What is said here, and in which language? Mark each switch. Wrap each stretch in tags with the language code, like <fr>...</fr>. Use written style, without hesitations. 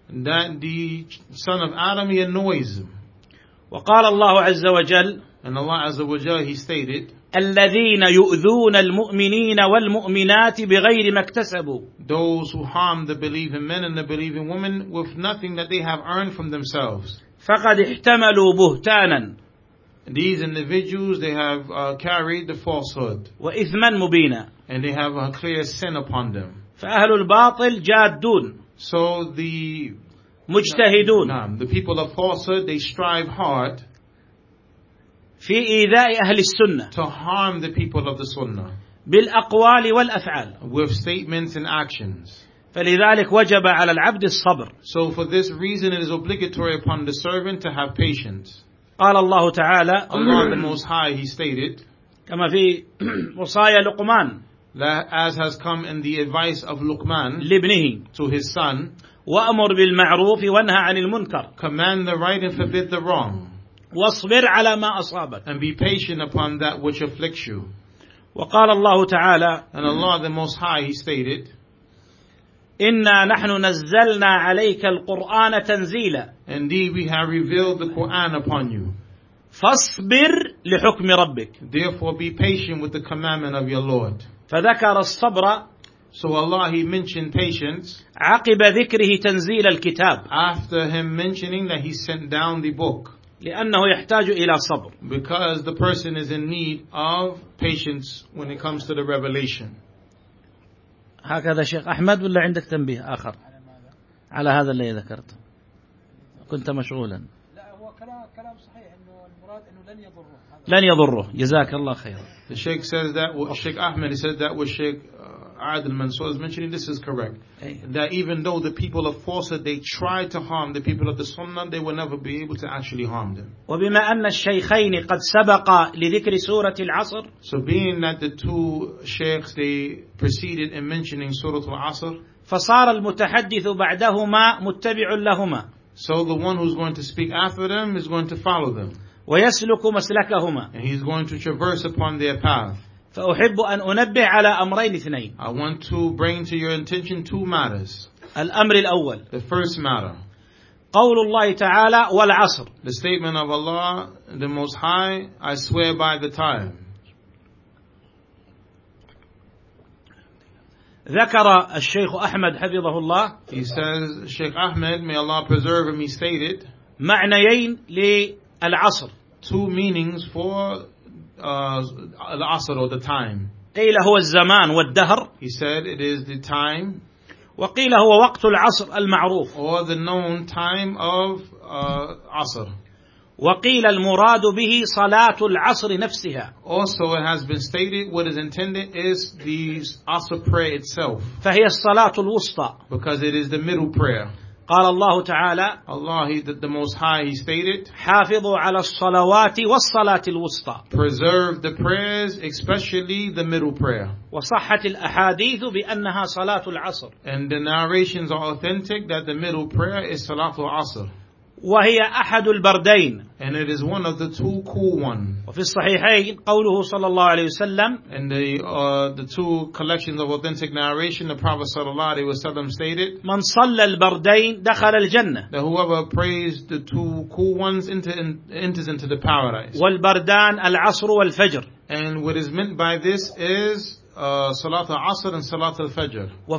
<en>That the son of Adam he annoys him.</en> <ar>وقال الله عز وجل.</ar> <en>And Allah Azza wa Jal he stated.</en> <ar>الذين يؤذون المؤمنين والمؤمنات بغير ما اكتسبوا.</ar> <en>Those who harm the believing men and the believing women with nothing that they have earned from themselves.</en> <ar>فقد احتملوا بهتانا.</ar> <en>These individuals they have carried the falsehood.</en> <ar>وإثما مبينا.</ar> <en>And they have a clear sin upon them.</en> <ar>فأهل الباطل جادون.</ar> <en>So the</en> <ar>مجتهدون.</ar> <en>نعم, the people of falsehood they strive hard</en> <ar>في إيذاء أهل السنة.</ar> <en>To harm the people of the sunnah.</en> <ar>بالأقوال والأفعال.</ar> <en>With statements and actions.</en> <ar>فلذلك وجب على العبد الصبر.</ar> <en>So for this reason it is obligatory upon the servant to have patience.</en> <ar>قال الله تعالى.</ar> <en>Allah the Most High he stated.</en> <ar>كما في وصايا لقمان.</ar> <en>As has come in the advice of Luqman</en> <ar>لابنه.</ar> <en>To his son.</en> <ar>وأمر بالمعروف وانهى عن المنكر.</ar> <en>Command the right and forbid the wrong.</en> <ar>واصبر على ما أصابك.</ar> <en>And be patient upon that which afflicts you.</en> <ar>وقال الله تعالى.</ar> <en>And Allah the Most High he stated.</en> <ar>إنا نحن نزلنا عليك القرآن تنزيلا.</ar> <en>Indeed we have revealed the Quran upon you.</en> <ar>فاصبر لحكم ربك.</ar> <en>Therefore be patient with the commandment of your Lord.</en> <ar>فذكر الصبر.</ar> <en>So Allah he mentioned patience.</en> <ar>عقب ذكره تنزيل الكتاب.</ar> <en>After him mentioning that he sent down the book.</en> <ar>لأنه يحتاج إلى صبر.</ar> <en>Because the person is in need of patience when it comes to the revelation.</en> <ar>هكذا شيخ أحمد ولا عندك تنبيه آخر على هذا اللي ذكرت؟ كنت مشغولا. لا هو كلام صحيح إنه المراد إنه لن يضره. لن يضره. جزاك الله خير.</ar> <en>The Sheikh says that, Sheikh Ahmed says that with Sheikh Adil Mansour is mentioning, this is correct. That even though the people of falsehood, they try to harm the people of the Sunnah, they will never be able to actually harm them.</en> <ar>وبما أن الشيخين قد سبق لذكر سورة العصر.</ar> <en>So being that the two Sheikhs, they preceded in mentioning Surah Al-Asr.</en> <ar>فصار المتحدث بعدهما متبع لهما.</ar> <en>So the one who's going to speak after them is going to follow them.</en> <ar>ويسلك مسلكهما.</ar> <en>And he's going to traverse upon their path.</en> <ar>فأحب أن أنبه على أمرين اثنين.</ar> <en>I want to bring to your intention two matters.</en> <ar>الأمر الأول.</ar> <en>The first matter.</en> <ar>قول الله تعالى والعصر.</ar> <en>The statement of Allah, the Most High, I swear by the time.</en> <ar>ذكر الشيخ أحمد حفظه الله.</ar> <en>He says, Sheikh Ahmed, may Allah preserve him, he stated.</en> <ar>معنيين ل العصر.</ar> <en>Two meanings for العصر or the time.</en> <ar>قيل هو الزمان والدهر.</ar> <en>He said it is the time.</en> <ar>وقيل هو وقت العصر المعروف.</ar> <en>Or the known time of عصر.</en> <ar>وقيل المراد به صلاة العصر نفسها.</ar> <en>Also it has been stated what is intended is the عصر prayer itself.</en> <ar>فهي الصلاة الوسطى.</ar> <en>Because it is the middle prayer.</en> <ar>قال الله تعالى</ar> <en>الله the most high, he stated</en> <ar>حافظوا على الصلوات والصلاة الوسطى</ar> <en>preserve the prayers especially the middle prayer</en> <ar>وصحة الأحاديث بأنها صلاة العصر</ar> <en>and the narrations are authentic that the middle prayer is صلاة العصر</en> <ar>وهي أحد البردين</ar> <en>and it is one of the two cool ones</en> <ar>وفي الصحيحين قوله صلى الله عليه وسلم</ar> <en>and the two collections of authentic narration the Prophet</en> <ar>صلى الله عليه وسلم</ar> <en>stated</en> <ar>من صلى البردين دخل الجنة</ar> <en>that whoever prays the two cool ones enters into the paradise</en> <ar>والبردان العصر والفجر</ar> <en>and what is meant by this is صلاة العصر and صلاة الفجر</en>